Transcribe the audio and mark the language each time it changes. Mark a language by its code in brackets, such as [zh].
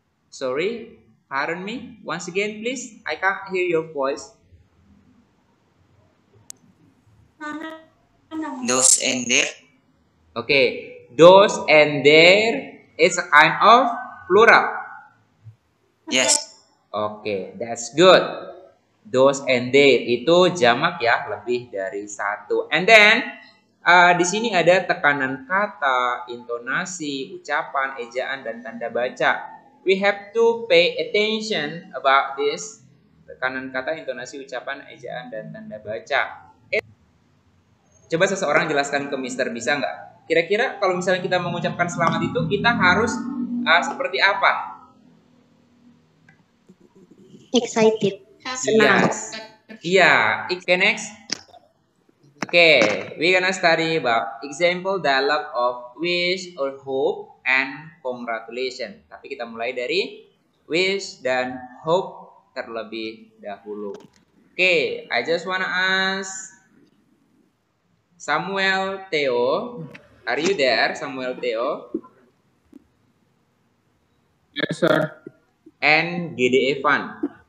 [en] Sorry. Pardon me, once again, please. I can't hear your voice. Those and their. Okay, those and their is a kind of plural. Yes. Okay, that's good. Those and their [id] itu jamak ya, lebih dari satu. [en] And then, [id] di sini ada tekanan kata, intonasi, ucapan, ejaan, dan tanda baca. [en] We have to pay attention about this. [id] Tekanan kata, intonasi, ucapan, ejaan, dan tanda baca. Coba seseorang jelaskan ke Mister, bisa nggak? Kira-kira kalau misalnya kita mengucapkan selamat itu, kita harus seperti apa? [en] Excited. [id] Senang. Iya. [en] Yes. Yeah. Okay, next. Okay, we're gonna study about example dialogue of wish or hope and congratulation. [id] Tapi kita mulai dari wish dan hope terlebih dahulu. [en] Okay, I just wanna ask Samuel Theo, are you there, Samuel Theo? Yes, sir. And Gide Evan.